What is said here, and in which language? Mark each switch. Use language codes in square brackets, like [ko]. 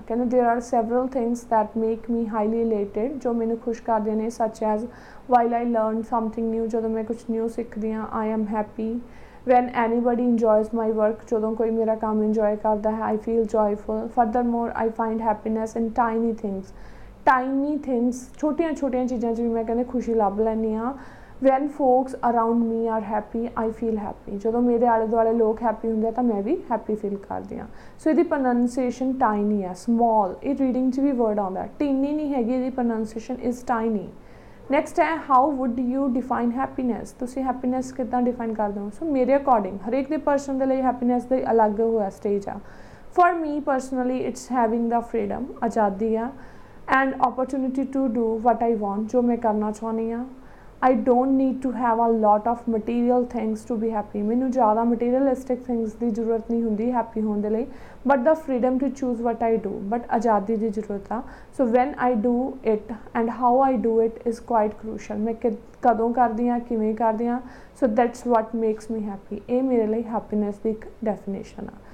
[pa] ਕਹਿੰਦੇ [en] there are several things that make me highly elated, [pa] ਜੋ ਮੈਨੂੰ ਖੁਸ਼ ਕਰਦੇ ਨੇ, [en] ਸੱਚ as while ਆਈ learn something new, [pa] ਜਦੋਂ ਮੈਂ ਕੁਛ ਨਿਊ ਸਿੱਖਦੀ ਹਾਂ, [en] I am happy, when anybody enjoys my work, [pa] ਜਦੋਂ ਕੋਈ ਮੇਰਾ ਕੰਮ ਇੰਜੋਏ ਕਰਦਾ ਹੈ, [en] I feel joyful, furthermore I find happiness in tiny things, tiny things, [pa] ਛੋਟੀਆਂ ਛੋਟੀਆਂ ਚੀਜ਼ਾਂ 'ਚ ਵੀ ਮੈਂ ਕਹਿੰਦੇ ਖੁਸ਼ੀ ਲੱਭ ਲੈਂਦੀ ਹਾਂ। [en] When folks around me are happy, I feel happy. [pa] ਜਦੋਂ ਮੇਰੇ ਆਲੇ ਦੁਆਲੇ ਲੋਕ ਹੈਪੀ ਹੁੰਦੇ ਤਾਂ ਮੈਂ ਵੀ ਹੈਪੀ ਫੀਲ ਕਰਦੀ ਹਾਂ। ਸੋ ਇਹਦੀ ਪ੍ਰੋਨੰਸੀਏਸ਼ਨ ਟਾਈਨੀ ਹੈ, ਸਮੋਲ, ਇਹ ਰੀਡਿੰਗ 'ਚ ਵੀ ਵਰਡ ਆਉਂਦਾ, ਟੀਨੀ ਨਹੀਂ ਹੈਗੀ, ਇਹਦੀ ਪ੍ਰੋਨੰਸੀਏਸ਼ਨ ਇਜ਼ ਟਾਈਨੀ। [en] next ਹੈ how would you define happiness, [pa] ਤੁਸੀਂ ਹੈਪੀਨੈਸ ਕਿੱਦਾਂ ਡਿਫਾਈਨ ਕਰਦੇ ਹੋ? ਸੋ ਮੇਰੇ ਅਕੋਰਡਿੰਗ ਹਰੇਕ ਦੇ ਪਰਸਨ ਦੇ ਲਈ ਹੈਪੀਨੈਸ ਦੇ ਅਲੱਗ ਹੋਇਆ ਸਟੇਜ ਆ। [en] for me personally it's having the freedom, [pa] ਆਜ਼ਾਦੀ ਆ, [en] and opportunity to do what I want, [pa] ਜੋ ਮੈਂ ਕਰਨਾ ਚਾਹੁੰਦੀ ਹਾਂ। [en] I don't need to have a lot of material things to be happy. [pa] ਮੈਨੂੰ ਜ਼ਿਆਦਾ ਮਟੀਰੀਅਲਿਸਟਿਕ ਥਿੰਗਸ ਦੀ ਜ਼ਰੂਰਤ ਨਹੀਂ ਹੁੰਦੀ ਹੈਪੀ ਹੋਣ ਦੇ ਲਈ, [en] but the freedom to choose what I do, [pa] but ਆਜ਼ਾਦੀ ਦੀ ਜ਼ਰੂਰਤ ਆ। [en] so when I do it and how I do it is quite crucial, [pa] ਮੈਂ ਕਦੋਂ ਕਰਦੀ ਹਾਂ, ਕਿਵੇਂ ਕਰਦੀ ਹਾਂ, [en] so that's what makes me happy, [pa] ਇਹ ਮੇਰੇ ਲਈ ਹੈਪੀਨੈਸ ਦੀ ਇੱਕ ਡੈਫੀਨੇਸ਼ਨ ਆ।